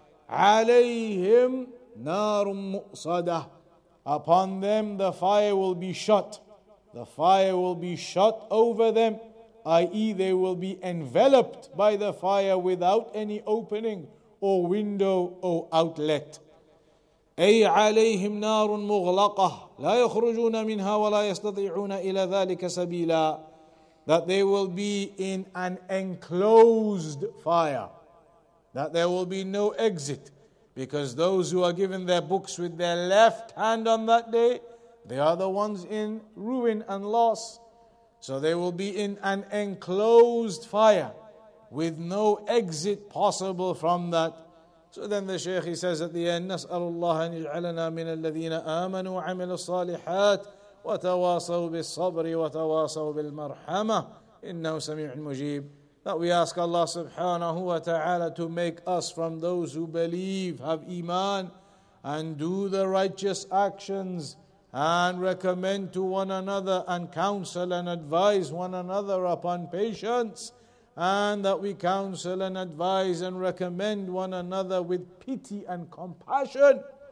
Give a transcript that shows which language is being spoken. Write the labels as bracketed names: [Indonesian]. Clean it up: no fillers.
[Arabic] عليهم نار مؤصدة, [English] upon them the fire will be shut. The fire will be shut over them, i.e. they will be enveloped by the fire without any opening or window or outlet. [Arabic] أي عليهم نار مغلقة لا يخرجون منها ولا يستطيعون إلى ذلك سبيلا. [English] That they will be in an enclosed fire, that there will be no exit, because those who are given their books with their left hand on that day, they are the ones in ruin and loss. So they will be in an enclosed fire with no exit possible from that. So then the Shaykh, he says at the end, [Arabic] نسأل الله أن يجعلنا من الذين آمنوا وعملوا الصالحات وتواصوا بالصبر وتواصوا بالمرحمة إنه سميع مجيب. [English] That we ask Allah subhanahu wa ta'ala to make us from those who believe, have iman, and do the righteous actions, and recommend to one another, and counsel and advise one another upon patience, and that we counsel and advise and recommend one another with pity and compassion.